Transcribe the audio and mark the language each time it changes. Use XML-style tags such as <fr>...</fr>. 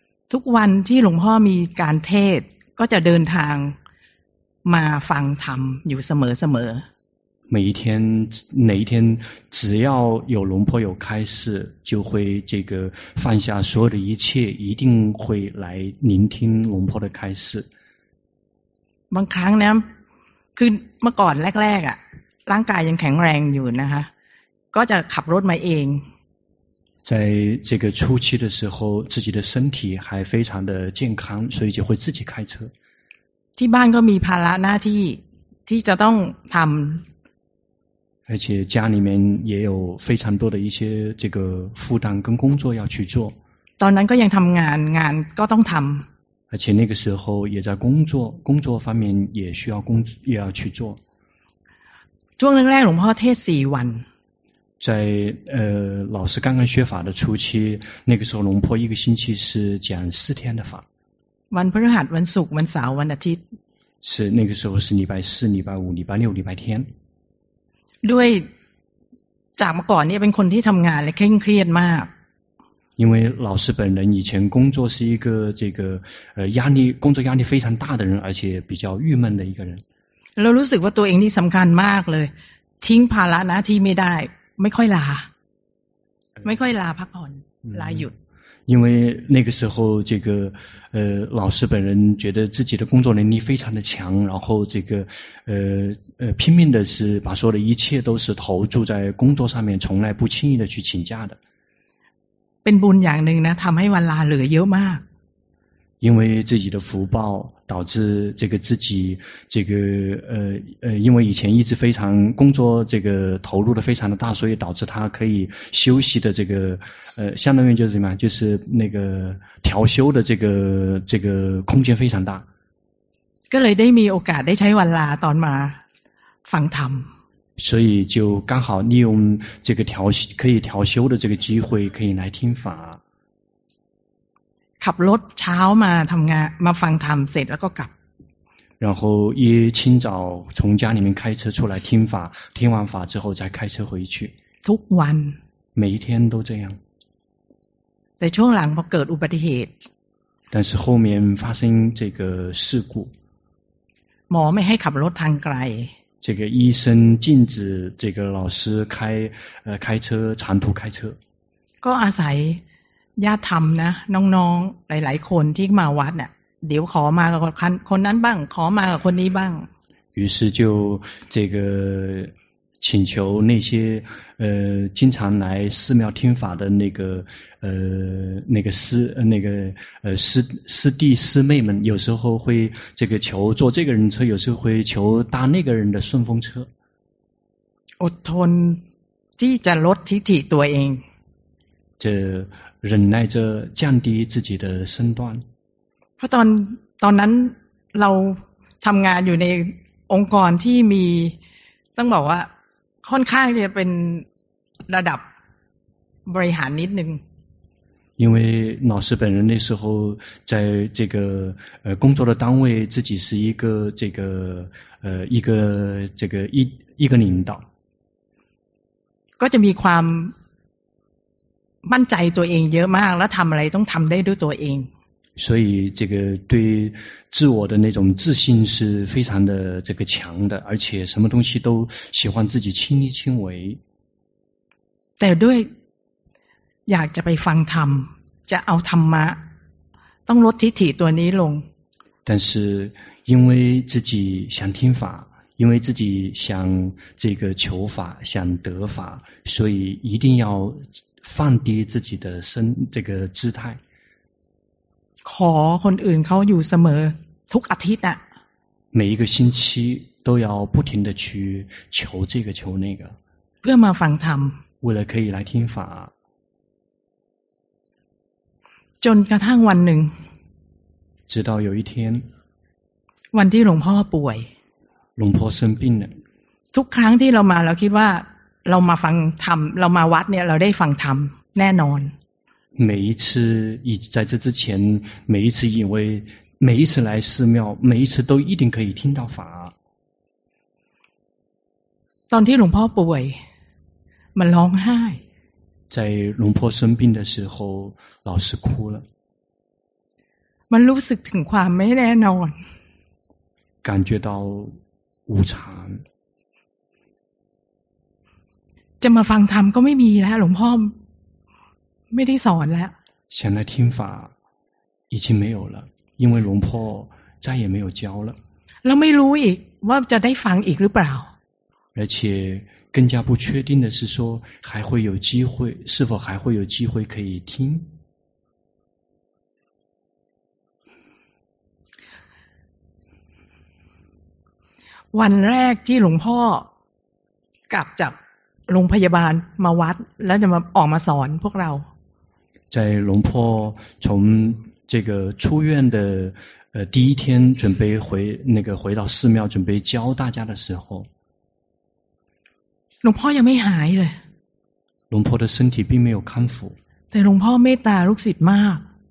<th>ทุกวันที่หลวงพ่อมีการเทศก็จะเดินทางมาฟังธรรมอยู่เสมอ</th> <zh>ๆ每一天哪一天只要有龙婆有开示就会这个放下所有的一切一定会来聆听龙婆的开示</zh> <th>บางครั้งนะคือเมื่อก่อนแรกๆอ่ะร่างกายยังแข็งแรงอยู่นะคะก็จะขับรถมาเอง</th> <zh>在这个初期的时候自己的身体还非常的健康所以就会自己开车</zh> <th>ที่บ้านก็มีภาระหน้าที่ที่จะต้องทำ</th> <zh>而且家里面也有非常多的一些这个负担跟工作要去做</zh> <th>ตอนนั้นก็ยังทำงานงานก็ต้องทำ</th> <zh>而且那个时候也在工作工作方面也需要工作也要去做</zh> <th>ช่วงแรกๆหลวงพ่อเทศ4วัน</th> <zh>在老师刚刚学法的初期那个时候龙婆一个星期是讲四天的法</zh> <th>วันพฤหัสวันศุกร์วันเสาร์วันอาทิตย์</th> <zh>是那个时候是礼拜四礼拜五礼拜六礼拜天</zh> <th>ด้วยจากเมื่อก่อนเนี่ยเป็นคนที่ทำงานและเคร่งเครียดมาก</th> <zh>因为老师本人以前工作是一个这个压力工作压力非常大的人而且比较郁闷的一个人</zh> <th>เรารู้สึกว่าตัวเองนี่สำคัญมากเลยทิ้งภาระหน้าที่ไม่ได้ไม่ค่อยลาไม่ค่อยลาพักผ่อนลาหยุด</th> <zh>因为那个时候这个老师本人觉得自己的工作能力非常的强然后这个拼命的是把所有的一切都是投注在工作上面从来不轻易的去请假的</zh> <th>เป็นบุญอย่างหนึ่งนะทำให้วันลาเหลือเยอะมาก</th> <zh>因为自己的福报导致这个自己这个因为以前一直非常工作这个投入的非常的大所以导致他可以休息的这个相当于就是什么就是那个调休的这个空间非常大</zh> <th>ก็เลยได้มีโอกาสได้ใช้วันลาตอนมาฟังธรรม</th> <zh>所以就刚好利用这个调休可以调休的这个机会可以来听法</zh> <th>ขับรถเช้ามาทำงานมาฟังธรรมเสร็จแล้วก็กลับ</th> <zh>然后一清早从家里面开车出来听法听完法之后再开车回去</zh> <th>ทุกวัน</th> <zh>每一天都这样</zh> <th>แต่ช่วงหลังพอเกิดอุบัติเหตุ</th> <zh>但是后面发生这个事故</zh> <th>หมอไม่ให้ขับรถทางไกล</th> <zh>这个医生禁止这个老师开开车长途开车。</zh> <th>ก็อาศัยญาติธรรมนะน้องๆหลายๆคนที่มาวัดเนี่ยเดี๋ยวขอมากับคนนั้นบ้างขอมากับคนนี้บ้าง</th> <zh>于是就这个请求那些经常来寺庙听法的那个那个师那个师师弟师妹们，有时候会这个求坐这个人车，有时候会求搭那个人的顺风车。</zh> <th>อดทนที่จะลดทิฐิตัวเอง</th> <zh>这忍耐着降低自己的身段。</zh> <th>เพราะตอนนั้นเราทำงานอยู่ในองค์กรที่มีต้องบอกว่าค่อนข้างจะเป็นระดับบริหารนิดนึง</th> <zh>因为老师本人那时候在这个工作的单位自己是一个这个一个这个一个领导</zh> <th>ก็จะมีความมั่นใจตัวเองเยอะมากแล้วทำอะไรต้องทำได้ด้วยตัวเอง</th> <zh>所以这个对自我的那种自信是非常的这个强的而且什么东西都喜欢自己亲力亲为</zh> <th>แต่ด้วยอยากจะไปฟังธรรมจะเอาธรรมะต้องลดทิฐิตัวนี้ลง</th> <zh>但是因为自己想听法因为自己想这个求法想得法所以一定要放低自己的身这个姿态</zh> <th>ขอคนอื่นเขาอยู่เสมอทุกอาทิตย์อ่ะ</th> <zh>每一个星期都要不停的去求这个求那个</zh> <th>เพื่อมาฟังธรรม</th> <zh>为了可以来听法</zh> <th>จนกระทั่งวันหนึ่ง</th> <zh>直到有一天</zh> <th>วันที่หลวงพ่อป่วย</th> <zh>หลวงพ่อ生病了</zh> <th>ทุกครั้งที่เรามาเราคิดว่าเรามาฟังธรรมเรามาวัดเนี่ยเราได้ฟังธรรมแน่นอน</th> <zh>每一次以在这之前每一次以为每一次来寺庙每一次都一定可以听到法</zh> <th>ตอนที่หลวงพ่อป่วยมันร้องไห้</th> <zh>在หลวงพ่อ生病的时候老师哭了</zh> <th>มันรู้สึกถึงความไม่แน่นอน</th> <zh>感觉到无常</zh> <th>จะมาฟังธรรมก็ไม่มีแล้วหลวงพ่อไม่ได้สอนแล้ว</th> <zh>想来听法已经没有了因为龙婆再也没有教了</zh> <th>แล้วไม่รู้อีกว่าจะได้ฟังอีกหรือเปล่า</th> <zh>而且更加不确定的是说还会有机会是否还会有机会可以听</zh> <th>วันแรกที่หลวงพ่อกลับจากโรงพยาบาลมาวัดแล้วจะมาออกมาสอนพวกเรา</th> <zh>在龙坡从这个出院的第一天准备回那个回到寺庙准备教大家的时候龙坡也没孩子龙坡的身体并没有康复但龙坡没打入室嘛</zh>